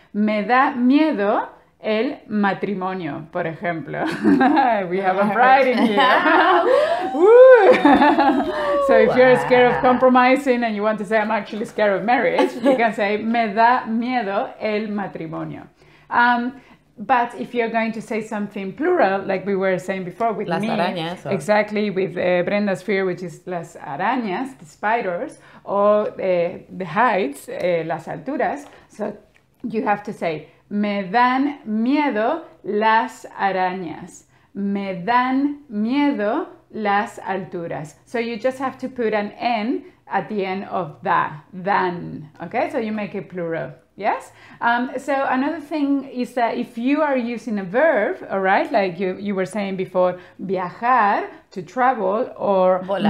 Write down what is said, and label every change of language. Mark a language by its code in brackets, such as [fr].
[es] Me da miedo el matrimonio, por ejemplo. [en] We have a bride in here. Woo! So if you're scared of compromising and you want to say, I'm actually scared of marriage, you can say, [es] me da miedo el matrimonio. [en] But if you're going to say something plural, like we were saying before with [es] las me, arañas, [en] or... exactly, with Brenda's fear, which is [es] las arañas, [en] the spiders, or the heights, [es] las alturas, [en] so you have to say, [es] me dan miedo las arañas. Me dan miedo las alturas. [en] So you just have to put an N at the end of da, dan. Okay, so you make it plural. Yes? So another thing is that if you are using a verb, all right, like you were saying before, viajar, to travel, or [es] volar.